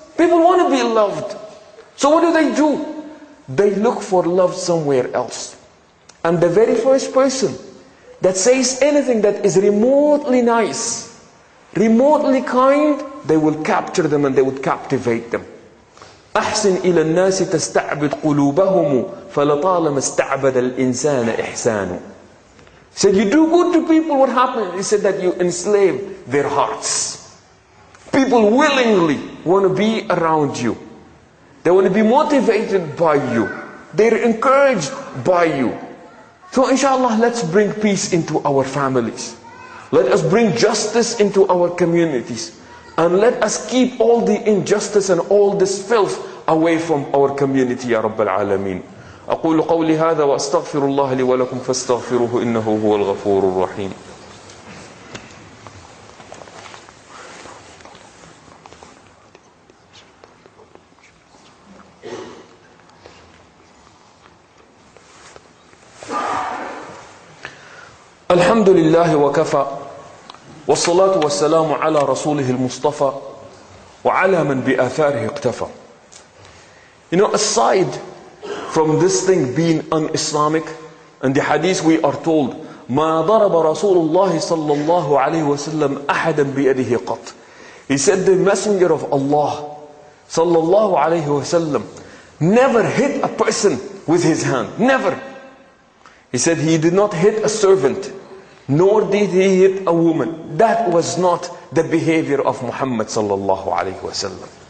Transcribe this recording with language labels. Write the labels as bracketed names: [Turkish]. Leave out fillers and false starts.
[English] People want to be loved. So what do? They look for love somewhere else. And the very first person that says anything that is remotely nice, remotely kind, they will capture them and they would captivate them. [Arabic] أحسن إلى الناس تستعبد قلوبهم فلطالما استعبد الإنسان إحسانه. [English] Said, you do good to people, what happened? He said that you enslave their hearts. People willingly want to be around you. They want to be motivated by you. They're encouraged by you. So inshallah, let's bring peace into our families. Let us bring justice into our communities. And let us keep all the injustice and all this filth away from our community, Ya Rabbal Alameen. [Arabic] أقول قولي هذا وأستغفر الله لي ولكم فاستغفروه إنه هو الغفور الرحيم. الحمد لله وكفى والصلاة والسلام على رسوله المصطفى وعلى من بآثاره اقتفى. [English] You know, aside from this thing being un-Islamic, and the hadith we are told [Arabic] ما ضرب رسول الله صلى الله عليه وسلم أحدا بيده قط. [English] He said the messenger of Allah [Arabic] صلى الله عليه وسلم [English] never hit a person with his hand. Never. He said he did not hit a servant, nor did he hit a woman. That was not the behavior of Muhammad [Arabic] صلى الله عليه وسلم.